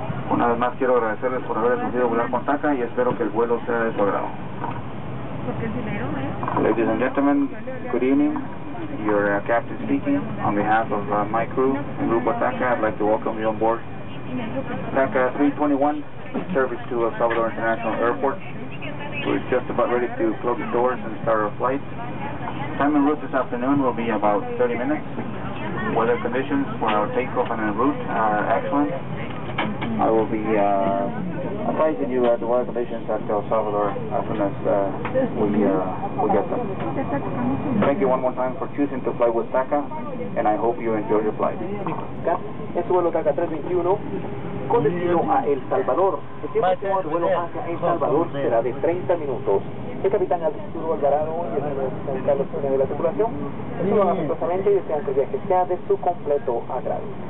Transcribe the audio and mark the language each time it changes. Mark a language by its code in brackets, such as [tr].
[es] Una vez más quiero agradecerles por haber escogido volar con TACA y espero que el vuelo sea de su agrado. [en] Ladies and gentlemen, good evening. Your captain speaking on behalf of my crew and Grupo TACA. I'd like to welcome you on board TACA 321 service to El Salvador International Airport. We're just about ready to close the doors and start our flight. Time en route this afternoon will be about 30 minutes. Weather conditions for our takeoff and en route are excellent. I will be advising you at the weather conditions at El Salvador as soon as we get them. Thank you one more time for choosing to fly with TACA, and I hope you enjoy your flight. [es] Es vuelo TACA 321 con destino a El Salvador. El tiempo de vuelo hacia El Salvador será de 30 minutos. El capitán Arturo Algarado y el Carlos de la tripulación saludan amistosamente y desean que el viaje sea de su completo agrado.